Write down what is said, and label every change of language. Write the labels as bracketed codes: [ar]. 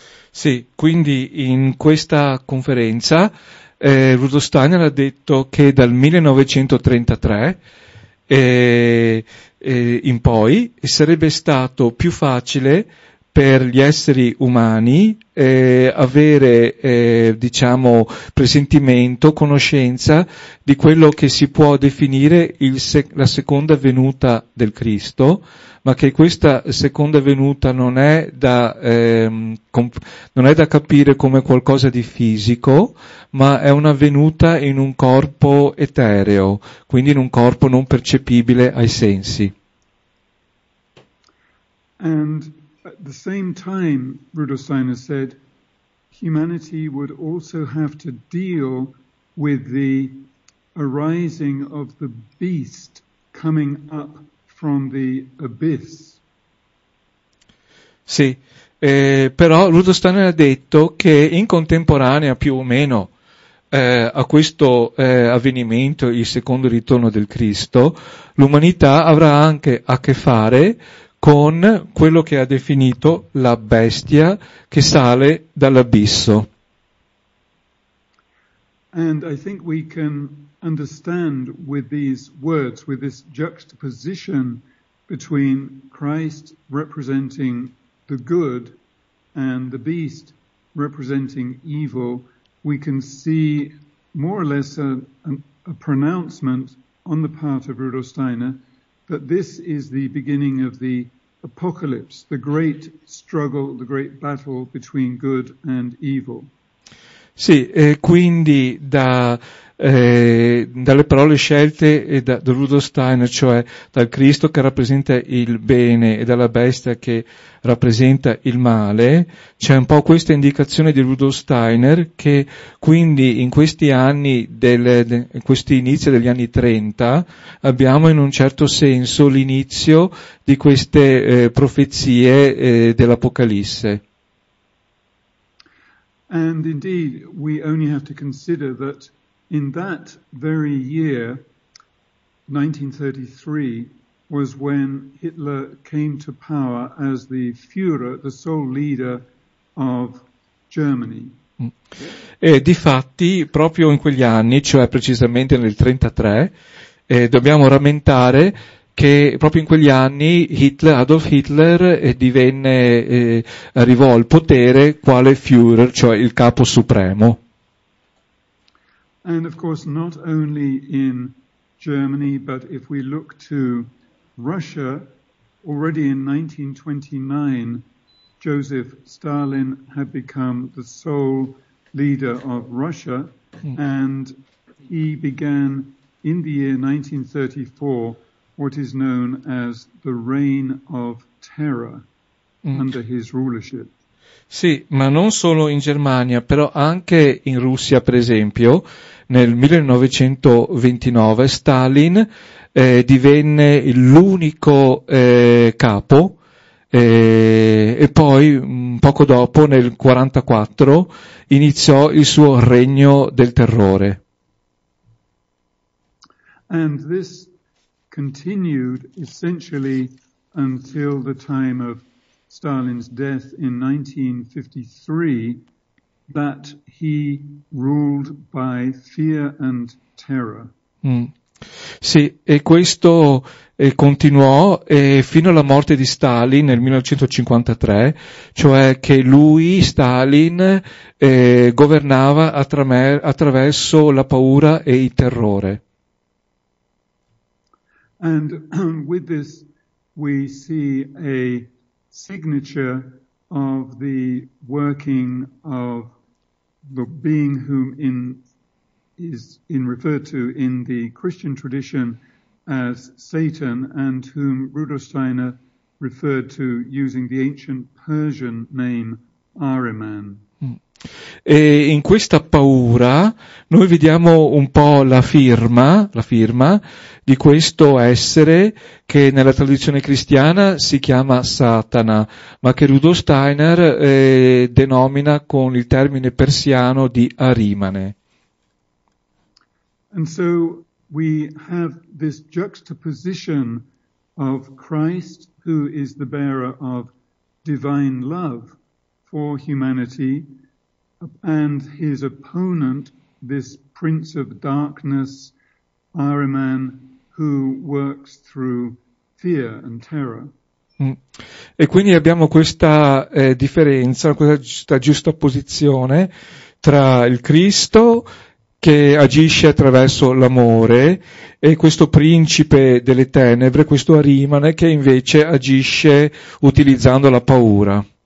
[it] Sì, quindi in questa conferenza Rudolf Steiner ha detto che dal 1933 in poi sarebbe stato più facile per gli esseri umani avere, diciamo, presentimento, conoscenza di quello che si può definire la seconda venuta del Cristo, ma che questa seconda venuta non è da non è da capire come qualcosa di fisico, ma è una venuta in un corpo etereo, quindi in un corpo non percepibile ai sensi. [en] And at the same time, Rudolf Steiner said, humanity would also have to deal with the arising of the beast coming up from the abyss. [it] Sì, però Rudolf Steiner ha detto che in contemporanea più o meno a questo avvenimento, il secondo ritorno del Cristo, l'umanità avrà anche a che fare con quello che ha definito la bestia che sale dall'abisso. [en] And I think we can understand with these words, with this juxtaposition between Christ representing the good and the beast representing evil, we can see more or less a pronouncement on the part of Rudolf Steiner that this is the beginning of the apocalypse, the great struggle, the great battle between good and evil. [it] Sì, quindi dalle parole scelte da Rudolf Steiner, cioè dal Cristo che rappresenta il bene e dalla bestia che rappresenta il male, c'è un po' questa indicazione di Rudolf Steiner che quindi in questi anni, in questi inizi degli anni 30, abbiamo in un certo senso l'inizio di queste profezie dell'Apocalisse. [en] And indeed, we only have to consider that in that very year, 1933, was when Hitler came to power as the Führer, the sole leader of Germany. [it] E difatti, proprio in quegli anni, cioè precisamente nel 33, dobbiamo rammentare che proprio in quegli anni Hitler, Adolf Hitler, divenne, arrivò al potere quale Führer, cioè il capo supremo. [en] And of course not only in Germany, but if we look to Russia, already in 1929 Joseph Stalin had become the sole leader of Russia. And he began in the year 1934 what is known as the Reign of Terror under his rulership. [it] Sì, ma non solo in Germania, però anche in Russia, per esempio, nel 1929 Stalin divenne l'unico capo e poi poco dopo, nel 1944, iniziò il suo regno del terrore. [en] And this continued essentially until the time of Stalin's death in 1953, that he ruled by fear and terror. [it] Sì, e questo continuò fino alla morte di Stalin nel 1953, cioè che lui, Stalin, governava attraverso la paura e il terrore. [en] And with this we see a signature of the working of the being whom is referred to in the Christian tradition as Satan, and whom Rudolf Steiner referred to using the ancient Persian name Ahriman. [it] E in questa paura noi vediamo un po' la firma di questo essere che nella tradizione cristiana si chiama Satana, ma che Rudolf Steiner denomina con il termine persiano di Arimane. [en] And so we have this juxtaposition of Christ, who is the bearer of divine love for humanity, and his opponent, this prince of darkness, Ahriman, who works through fear and terror. [it] E quindi abbiamo questa differenza, questa giusta posizione tra il Cristo che agisce attraverso l'amore e questo principe delle tenebre, questo Ahriman, che invece agisce utilizzando la paura.